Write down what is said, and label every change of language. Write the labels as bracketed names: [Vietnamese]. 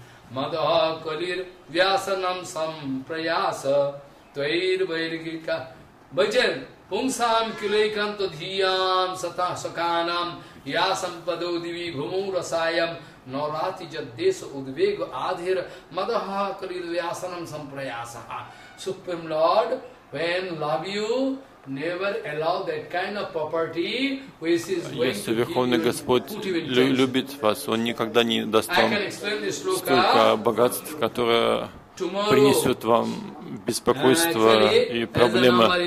[Sanskrit] Мадха Калир Вьясанам Сампраяса Твайр Байрикика Бхаджан Пумсам Килайкам Тадхиям Сатах Саканам Ясам Паду Диви Бхуму Расаям Наврати Джаддеса Удвегу Адхир Мадха Калир Вьясанам Сампраяса. [English] Supreme Lord, when love you, never allow that kind of property which is going [Russian] если Верховный Господь любит вас, Он никогда не даст вам столько богатств, которое принесет вам беспокойство и проблемы.